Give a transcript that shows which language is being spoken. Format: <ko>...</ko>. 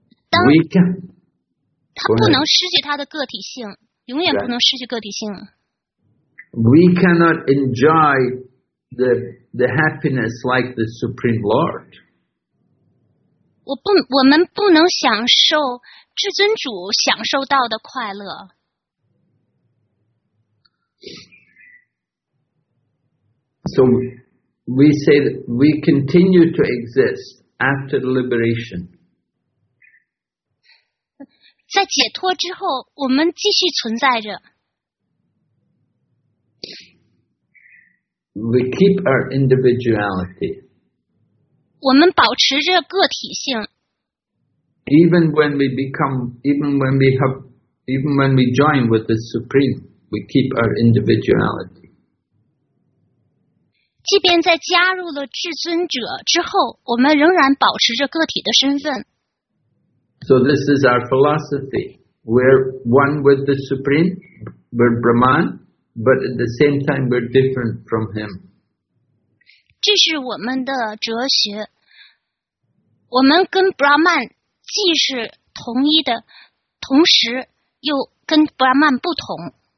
<zh>他不能失去他的个体性，永远不能失去个体性。</zh> <en>We cannot enjoy the happiness like the Supreme Lord.</en> <zh>我们不能享受至尊主享受到的快乐。</zh> <en>So we say that we continue to exist after liberation.</en> <zh>在解脱之后，我们继续存在着。</zh> <en>We keep our individuality.</en> <zh>我们保持着个体性。</zh> <en>Even when we join with the Supreme, we keep our individuality.</en> <zh>即便在加入了至尊者之后，我们仍然保持着个体的身份。</zh> <en>So this is our philosophy. We're one with the Supreme, we're Brahman, but at the same time we're different from Him.</en> <zh>这是我们的哲学。我们跟 Brahman 既是同一的，同时又跟 Brahman 不同。</zh>